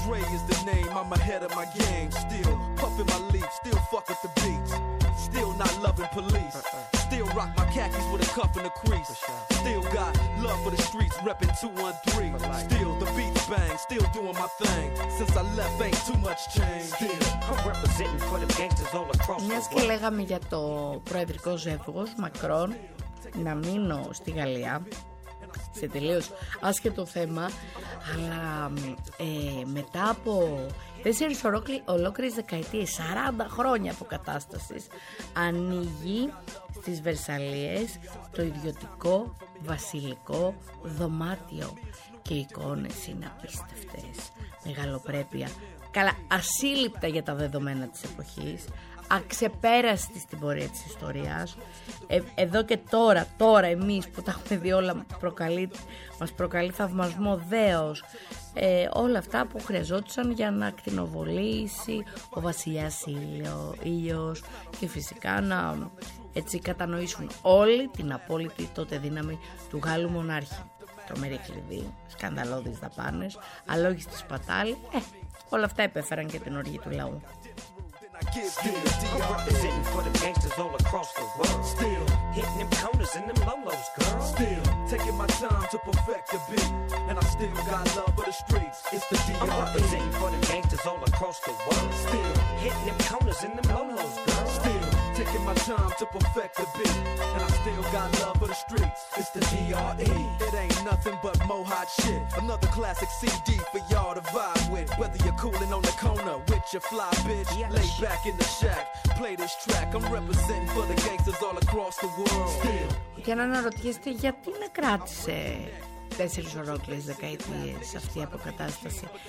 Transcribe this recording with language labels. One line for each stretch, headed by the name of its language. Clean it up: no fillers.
English: Dre is the name, I'm ahead of my game. Still puffin' my leaf, still fuck with the beats. Still not loving police. Still rock my khakis with a cuff and a crease. For sure. Still got love for the streets, repping 213. Like still the beats bang, still doing my thing. Since I left, ain't too much change. Still, I'm representing for the gangsters all across.
Greek: Μιας και λέγαμε για το προεδρικό ζεύγος Μακρόν, να μείνω στη Γαλλία σε τελείως άσχετο θέμα, αλλά μετά από 4 ολόκληρες δεκαετίες, 40 χρόνια αποκατάστασης, ανοίγει στις Βερσαλίες το ιδιωτικό βασιλικό δωμάτιο και οι εικόνες είναι απίστευτες. Μεγαλοπρέπεια, καλά, ασύλληπτα για τα δεδομένα της εποχής, αξεπέραστη στην πορεία της ιστορίας. Εδώ και τώρα εμείς που τα έχουμε δει όλα, μας προκαλεί θαυμασμό δέος. Όλα αυτά που χρειαζόντουσαν για να ακτινοβολήσει ο βασιλιάς ήλιος και φυσικά να έτσι κατανοήσουν όλοι την απόλυτη τότε δύναμη του Γάλλου μονάρχη. Τρομερή κλειδί, σκανδαλώδεις δαπάνες, αλόγιστη σπατάλη, όλα αυτά επέφεραν και την οργή του λαού.
English: Still, I'm representing for the gangsters all across the world. Still, hitting them corners and them lolos, girl. Still, taking my time to perfect the beat. And I still got love for the streets. It's the D.R.E. I'm representing for the gangsters all across the world. Still, hitting them corners and them lolos, girl. Still, taking my time to perfect the beat. And I still got love for the streets. It's the D.R.E. It ain't nothing but mohawk shit. Another classic CD for y'all to vibe with. Whether you're cooling on the corner with your fly bitch. Yes. Back in the shack, play this track. I'm representing for the gangsters all across the world. Still.
Greek: Για να αναρωτιέστε γιατί να κράτησε 4 ολόκληρες δεκαετίες αυτή η αποκατάσταση.